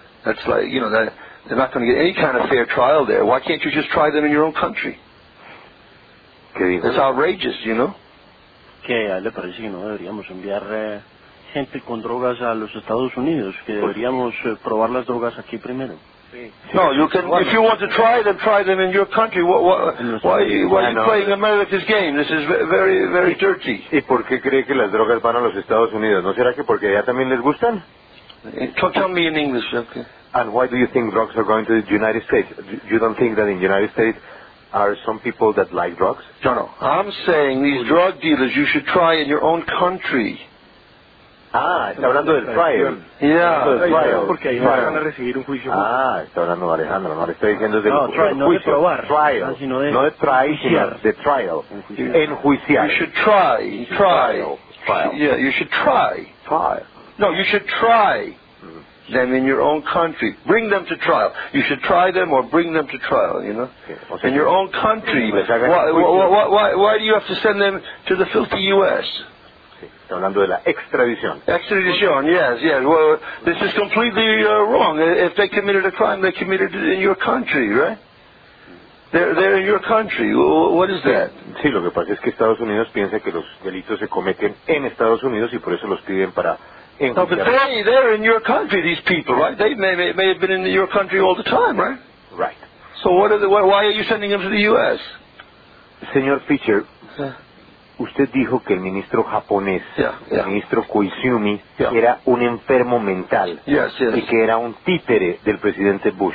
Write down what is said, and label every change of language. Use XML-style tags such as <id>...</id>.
<en>That's like, you know, they're not going to get any kind of fair trial there. Why can't you just try them in your own country? It's outrageous, you know?</en> <es>¿Qué le parece que no deberíamos enviar gente con drogas a los Estados Unidos? ¿Que deberíamos probar las drogas aquí primero?</es> <en>No, you can. If you want to try them in your country. Why are you playing America's game? This is very, very dirty.</en> <es>¿Y por qué cree que las drogas van a los Estados Unidos? ¿No será que porque allá también les gustan?</es> <en>Tell me in English, okay? And why do you think drugs are going to the United States? You don't think that in the United States are some people that like drugs? No. I'm saying these drug dealers you should try in your own country.</en> <es>Está hablando del trial. Porque ahí van a recibir un juicio. Está hablando de Alejandro. No le estoy diciendo del juicio.</es> <en>No, trial.</en> <es>No de trial, sino de trial. Enjuiciar.</es> <en>You should try. Try. Yeah, you should try. Try. No, you should try them in your own country. Bring them to trial. You should try them or bring them to trial, you know? In your own country. Why do you have to send them to the filthy U.S.?</en> <es>Está hablando de la extradición. Extradición, yes.</es> <en>Well, this is completely wrong. If they committed a crime, they committed it in your country, right? They're in your country. What is that?</en> <es>Sí, lo que pasa es que Estados Unidos piensa que los delitos se cometen en Estados Unidos y por eso los piden para...</es> <en>No, but they're in your country, these people, right? They may have been in your country all the time, right? Right. So why are you sending them to the U.S.?</en> <es>Señor Fischer... Usted dijo que el ministro japonés, el ministro Koizumi, era un enfermo mental y que era un títere del presidente Bush.</es>